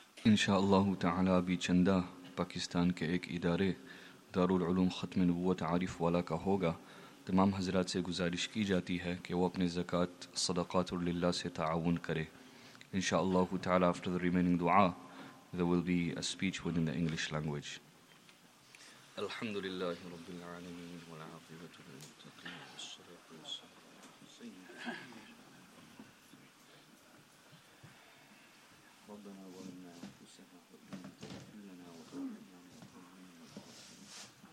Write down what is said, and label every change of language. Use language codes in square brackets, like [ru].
[ur] انشاءاللہ تعالی ابھی چندہ پاکستان کے ایک ادارے دار العلوم ختم نبوت عارف والا کا ہوگا. تمام حضرات سے گزارش کی جاتی ہے کہ وہ اپنے زکوٰۃ صدقات اللہ سے تعاون کرے. [en] انشاءاللہ تعالی after the remaining دعا there will be a speech within the English language. [ar] الحمدللہ رب العالمین والعاقبۃ للمتقین والصلاۃ والسلام ربنا ظلمنا أنفسنا وإن لم تغفر لنا وترحمنا لنكونن من الخاسرين.